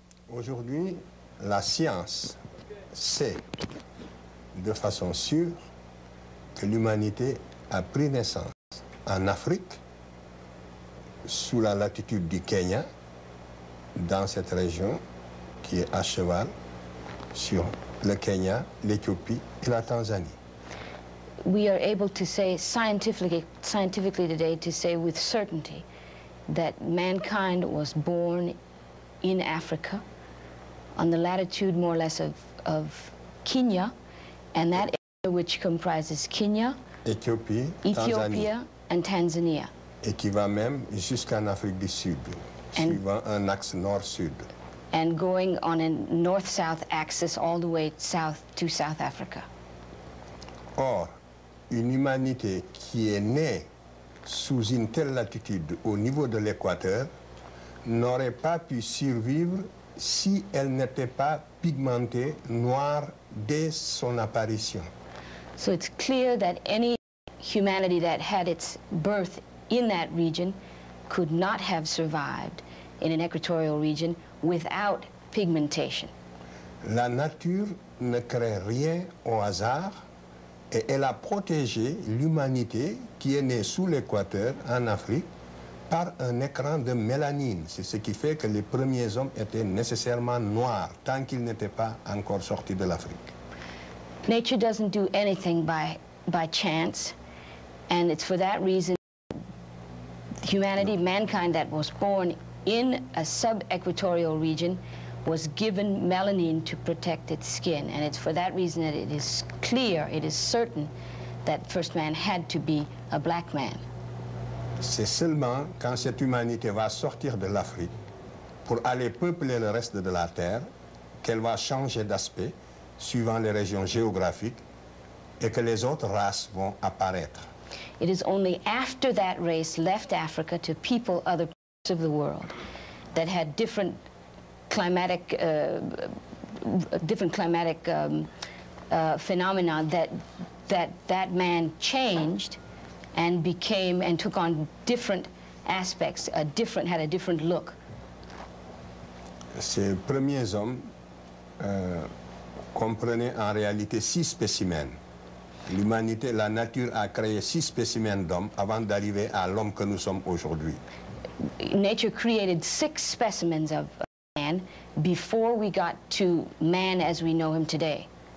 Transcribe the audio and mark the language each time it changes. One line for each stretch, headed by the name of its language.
French: Aujourd'hui, la science sait de façon sûre que l'humanité a pris naissance en Afrique, sous la latitude du Kenya, dans cette région qui est à cheval sur le Kenya, l'Éthiopie et la Tanzanie.
English: We are able to say scientifically today to say with certainty that mankind was born in Africa on the latitude more or less of Kenya, and that area which comprises Kenya, Ethiopia, and Tanzania.
French: Et qui va même jusqu'en Afrique du Sud, suivant un axe nord-sud.
English: And going on a north-south axis all the way south to South Africa.
French: Or, une humanité qui est née sous une telle latitude au niveau de l'équateur n'aurait pas pu survivre si elle n'était pas pigmentée noire dès son apparition.
English: So it's clear that any humanity that had its birth in that region could not have survived in an equatorial region without pigmentation.
French: La nature ne crée rien au hasard. Et elle a protégé l'humanité qui est née sous l'équateur en Afrique par un écran de mélanine. C'est ce qui fait que les premiers hommes étaient nécessairement noirs tant qu'ils n'étaient pas encore sortis de l'Afrique.
English: Nature doesn't do anything by chance, and it's for that reason humanity, mankind that was born in a sub-equatorial region was given melanin to protect its skin, and it's for that reason that it is clear, it is certain, that first man had to be a black man.
French: C'est seulement quand cette humanité va sortir de l'Afrique pour aller peupler le reste de la Terre qu'elle va changer d'aspect suivant les régions géographiques et que les autres races vont apparaître.
English: It is only after that race left Africa to people other parts of the world that had different phenomena that man changed and became and took on different aspects, had a different look.
French: Ces premiers hommes comprenaient en réalité six spécimens. L'humanité, la nature a créé six spécimens d'hommes avant d'arriver à l'homme que nous sommes aujourd'hui.
English: Nature created six specimens of before we got to man as we know him today.